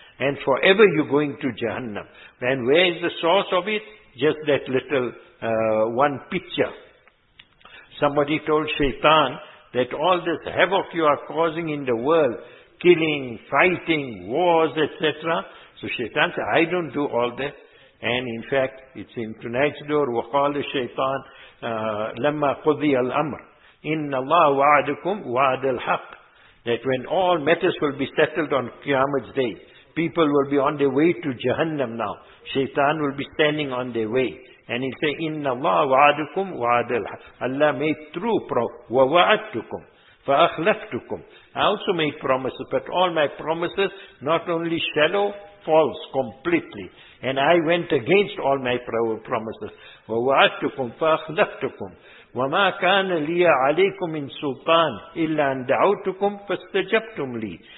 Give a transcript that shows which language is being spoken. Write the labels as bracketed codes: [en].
[en] And forever you're going to Jahannam. And where is the source of it? Just that little one picture. Somebody told Shaitan that all this havoc you are causing in the world, killing, fighting, wars, etc. So Shaitan said, I don't do all that. And in fact, it's in tonight's door, [ar] وَقَالَ الشَّيْطَانِ لَمَّا قُضِيَ الْأَمْرِ إِنَّ اللَّهُ وَعَدُكُمْ وَعَدَ الْحَقِّ. [en] That when all matters will be settled on Qiyamah's day, people will be on their way to Jahannam now. Shaitan will be standing on their way. And he'll say, [ar] إِنَّ اللَّهَ وَعَدُكُمْ وَعَدَ الْحَقِّ. [en] Allah made true [ar] وَوَعَدْتُكُمْ فَأَخْلَفْتُكُمْ. [en] I also made promises, but all my promises, not only shallow, false completely. And I went against all my promises. [ar] وَوَعَدْتُكُمْ فَأَخْلَفْتُكُمْ وَمَا كَانَ لِيَ عَلَيْكُمْ مِنْ سُلْطَانٍ إِلَّا أَنْ دَعَوْتُكُمْ فَاسْتَجَبْتُمْ لِي.